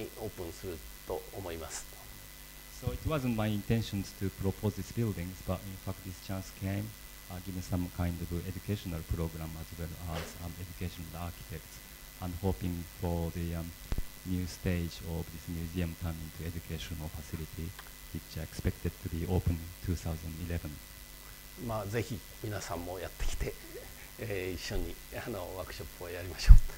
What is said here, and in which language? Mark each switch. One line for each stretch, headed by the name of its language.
Japanese: それがこのような形で実現するとは予想もしていなかったんですけれども、来年にはこの建築ができて、再来年2011年には前半のうちに、オープンすると思います。So
English: it wasn't my intention to propose this building, but in fact this chance came. Given some kind of educational program as well as educational architects, and hoping for the new stage of this museum turn into educational facility, which I expected to be open in 2011.
Japanese: まあ、 ぜひ皆さんもやってきて、一緒にワークショップをやりましょう。